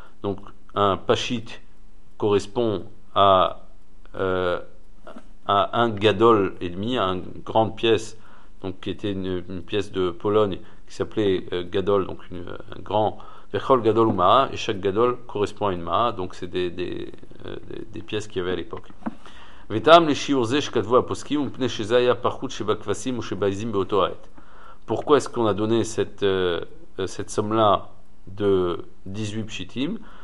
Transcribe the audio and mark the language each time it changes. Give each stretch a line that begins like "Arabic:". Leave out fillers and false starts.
French: Donc un pashit correspond à un gadol et demi, à une grande pièce, donc qui était une pièce de Pologne, qui s'appelait gadol, donc un grand,
Hebrew: vechol gadol uma,
French: et chaque gadol correspond à une ma, donc c'est des pièces qu'il y avait à l'époque.
Hebrew: וטעם לשיעור זה שכתבו הפוסקים, מפני שזה היה פחות שבכבשים או שבעיזים באותו העת.
French: Pourquoi est-ce qu'on a donné cette somme-là de 18 pshitim?